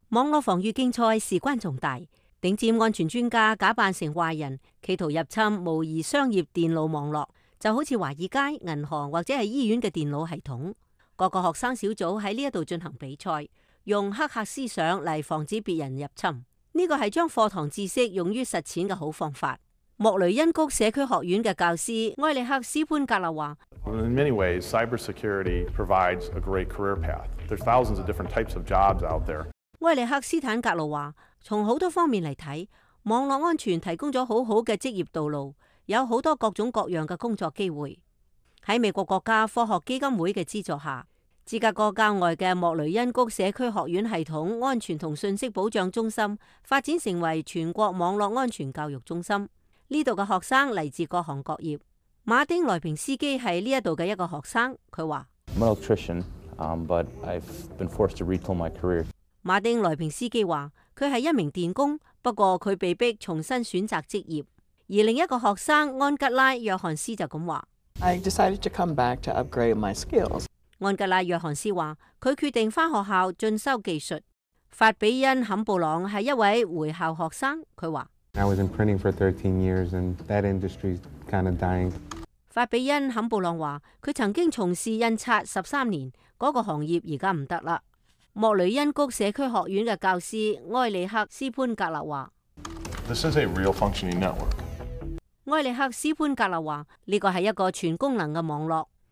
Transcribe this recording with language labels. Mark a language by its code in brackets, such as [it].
[zh] 网络防御竞赛事关重大，顶尖安全专家假扮成坏人，企图入侵模拟商业电脑网络，就好像华尔街、银行或者是医院的电脑系统。各个学生小组在这里进行比赛，用黑客思想来防止别人入侵。这个是将课堂知识用于实践的好方法。莫雷恩谷社区学院的教师埃里克斯潘格勒说 [en] In many ways, cybersecurity provides a great career path. There are thousands of different types of jobs out there. [zh] 埃里克斯坦格勒说从很多方面来看，网络安全提供了很好的职业道路，有很多各种各样的工作机会。在美国国家科学基金会的资助下，芝加哥郊外的莫雷恩谷社区学院系统安全和信息保障中心发展成为全国网络安全教育中心。这里的学生来自各行各业。马丁莱平斯基是这里的一个学生，他说 [en] I'm an electrician, but I've been forced to retool my career. [zh] 马丁莱平斯基说他是一名电工，不过他被迫重新选择职业。而另一个学生安吉拉·约翰斯就这么说 [en] I decided to come back to upgrade my skills. [zh] 安吉拉·约翰斯说他决定回学校进修技术。法比恩·坎布朗是一位回校学生，他说 [en] I was in printing for 13 years and that industry is kind of dying. [zh] 法比恩·坎布朗说他曾经从事印刷13年，那个行业现在不行了。莫雷恩谷社区学院的教师埃里克斯潘格勒说 [en] This is a real functioning network. [zh] 埃里克斯潘格勒说这个是一个全功能的网络。